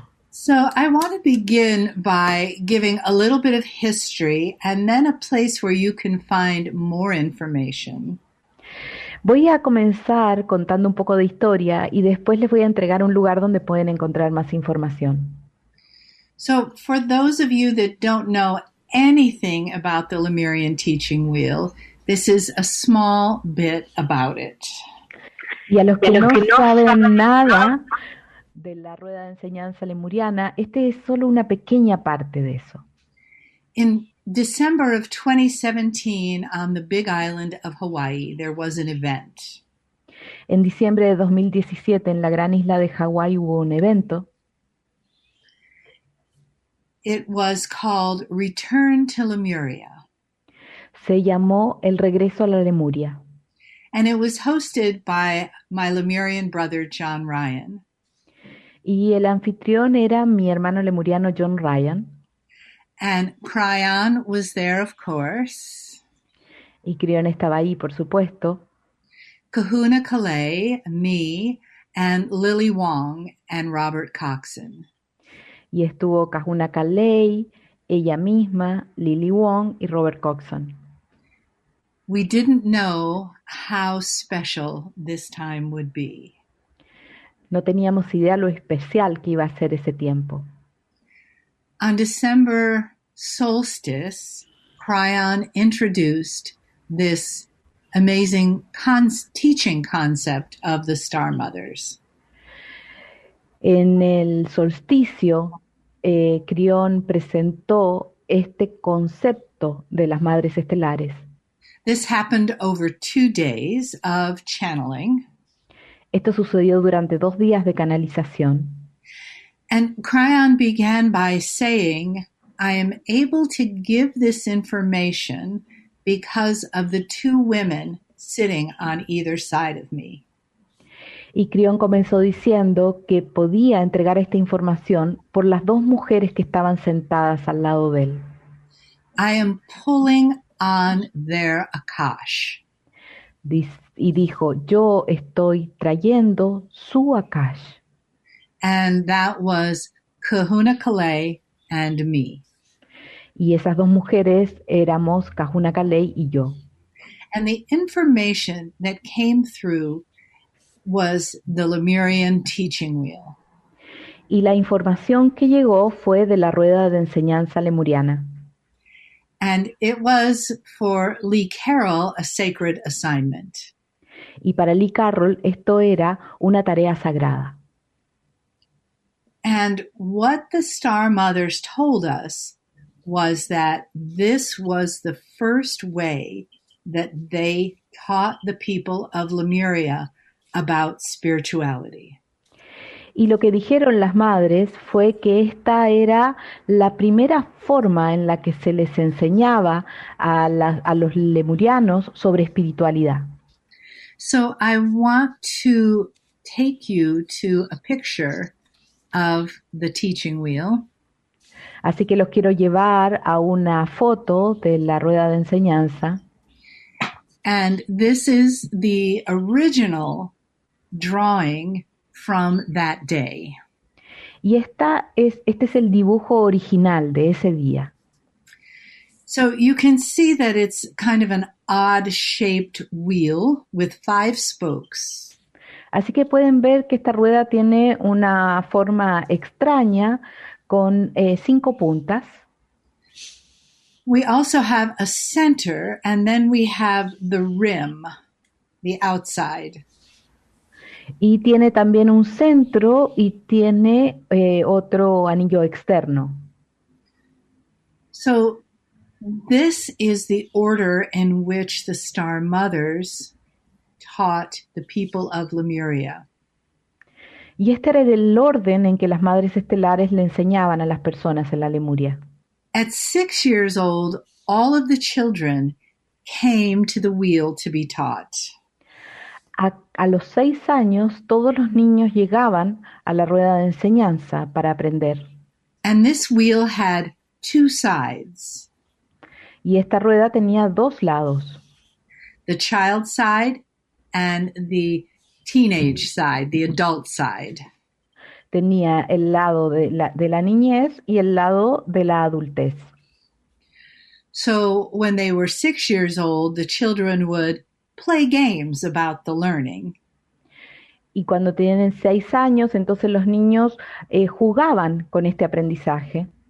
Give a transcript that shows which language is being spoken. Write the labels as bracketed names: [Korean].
[English] So I want to begin by giving a little bit of history and then a place where you can find more information. [Spanish] Voy a comenzar contando un poco de historia y después les voy a entregar un lugar donde pueden encontrar más información. [English] So for those of you that don't know anything about the Lemurian teaching wheel, this is a small bit about it. [Spanish] Y a los que no saben nada de la rueda de enseñanza lemuriana, este es solo una pequeña parte de eso. [English] In December of 2017, on the Big Island of Hawaii, there was an event. [Spanish] En diciembre de 2017, en la gran isla de Hawái, hubo un evento. [English] It was called Return to Lemuria. [Spanish] Se llamó El Regreso a la Lemuria. [English] And it was hosted by my Lemurian brother, John Ryan. [Spanish] Y el anfitrión era mi hermano lemuriano, John Ryan. [English] And Cryon was there, of course. [Spanish] Y Cryon estaba ahí, por supuesto. [English] Kahuna Kalei, me, and Lily Wong, and Robert Coxon. [Spanish] Y estuvo Kahuna Kalei, ella misma, Lily Wong y Robert Coxon. [English] We didn't know how special this time would be. [Spanish] No teníamos idea lo especial que iba a ser ese tiempo. [English] On December solstice, Cryon introduced this amazing teaching concept of the Star Mothers. [Spanish] En el solsticio, Cryon presentó este concepto de las madres estelares. [English] This happened over 2 days of channeling. [Spanish] Esto sucedió durante 2 días de canalización. [English] And Cryon began by saying, I am able to give this information because of the 2 women sitting on either side of me. [Spanish] Y Cryon comenzó diciendo que podía entregar esta información por las 2 mujeres que estaban sentadas al lado de él. [English] I am pulling on their Akash. [Spanish] Y dijo, yo estoy trayendo su Akash. [English] And that was Kahuna Kalei and me. [Spanish] Y esas 2 mujeres éramos Kahuna Kalei y yo. [English] And the information that came through was the Lemurian teaching wheel. [Spanish] Y la información que llegó fue de la rueda de enseñanza lemuriana. [English] And it was for Lee Carroll a sacred assignment. [Spanish] Y para Lee Carroll esto era una tarea sagrada. [English] And what the Star Mothers told us was that this was the first way that they taught the people of Lemuria about spirituality. [Spanish] Y lo que dijeron las madres fue que esta era la primera forma en la que se les enseñaba a los lemurianos sobre espiritualidad. [English] So I want to take you to a picture of the teaching wheel. [Spanish] Así que los quiero llevar a una foto de la rueda de enseñanza. [English] And this is the original drawing from that day. [Spanish] Y este es el dibujo original de ese día. [English] So you can see that it's kind of an odd shaped wheel with 5 spokes. [Spanish] Así que pueden ver que esta rueda tiene una forma extraña con 5 puntas. [English] We also have a center and then we have the rim, the outside. [Spanish] Y tiene también un centro y tiene otro anillo externo. [English] So this is the order in which the Star Mothers taught the people of Lemuria. [Spanish] Y este era el orden en que las madres estelares le enseñaban a las personas en la Lemuria. [English] At 6 years old, all of the children came to the wheel to be taught. [Spanish] A los 6 años, todos los niños llegaban a la rueda de enseñanza para aprender. [English] And this wheel had two sides. [Spanish] Y esta rueda tenía dos lados. [English] The child side and the teenage side, the adult side. [Spanish] Tenía el lado de la niñez y el lado de la adultez. [English] So when they were 6 years old, the children would play games about the learning. [Spanish] Y cuando tienen 6 años, entonces los niños jugaban con este aprendizaje.